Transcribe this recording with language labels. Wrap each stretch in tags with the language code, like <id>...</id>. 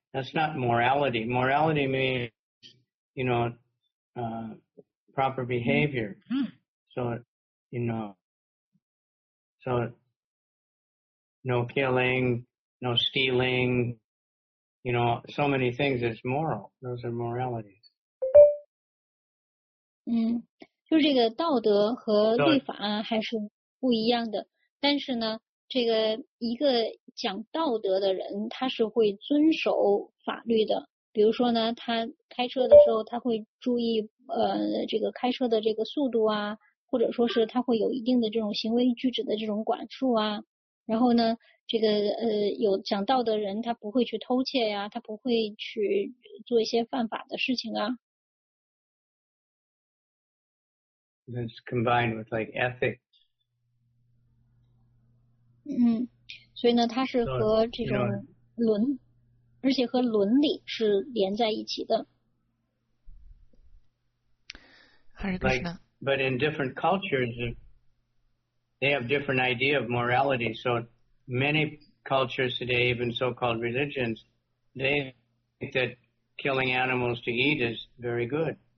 <en>That's not morality. Morality means, you know, proper behavior. So no killing, no stealing, you know, so many things is moral. Those are moralities.</en> <zh>就这个道德和律法还是不一样的。但是呢，这个一个讲道德的人，他是会遵守法律的。比如说呢，他开车的时候，他会注意这个开车的这个速度啊，或者说是他会有一定的这种行为举止的这种管束啊。然后呢，这个有讲道德的人，他不会去偷窃呀，他不会去做一些犯法的事情啊。</zh> <en>That's combined with like ethics.</en> <zh>所以呢，它是和这种伦。而且和伦理是连在一起的。</zh> <en>Like, but in different cultures, they have different idea of morality. So many cultures today, even so-called religions, they think that killing animals to eat is very good.</en>